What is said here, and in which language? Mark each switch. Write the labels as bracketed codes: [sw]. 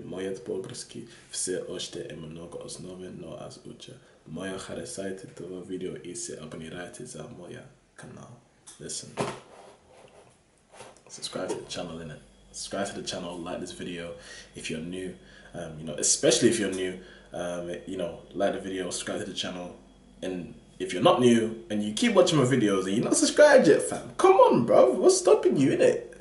[bg] Моят български все още е много основен, но аз уча. Моя харесайте това видео и се абонирайте за моя канал. [en] Listen. Subscribe to the channel, innit? Subscribe to the channel, like this video if you're new, you know, especially if you're new, you know, like the video, subscribe to the channel. And if you're not new and you keep watching my videos and you're not subscribed yet, fam, come on, bro, what's stopping you, innit?